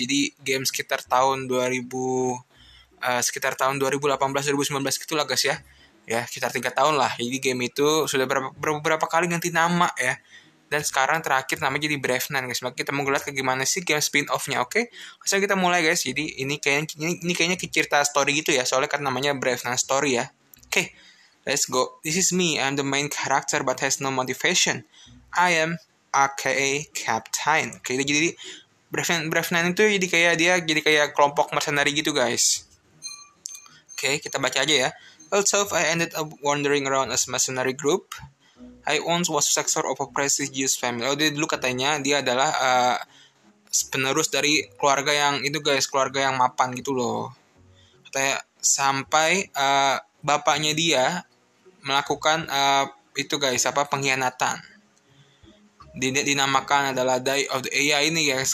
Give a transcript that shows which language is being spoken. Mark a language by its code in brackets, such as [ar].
[id] Jadi game sekitar tahun 2018-2019 gitulah guys ya. Ya, sekitar 3 tahun lah. Jadi game itu sudah beberapa kali ganti nama ya. Dan sekarang terakhir namanya jadi Brave Nine guys. Maka kita mau ngeliat ke gimana sih game spin-off-nya, oke? Okay? Langsung kita mulai guys. Jadi ini kayaknya cerita story gitu ya. Soalnya kan namanya Brave Nine Story ya. Oke, [en] okay, let's go. This is me. I'm the main character but has no motivation. I am aka Captain. [id] Oke, okay, jadi Brave Nine itu jadi kayak dia jadi kayak kelompok mercenary gitu guys. Oke, okay, kita baca aja ya. [en] Also, I ended up wandering around as mercenary group. I once was successor of a prestigious family. [id] Oh, dulu katanya dia adalah penerus dari keluarga yang itu guys, keluarga yang mapan gitu loh. Katanya sampai bapaknya dia melakukan itu guys, apa pengkhianatan. Dinamakan adalah Day of the AI ini guys.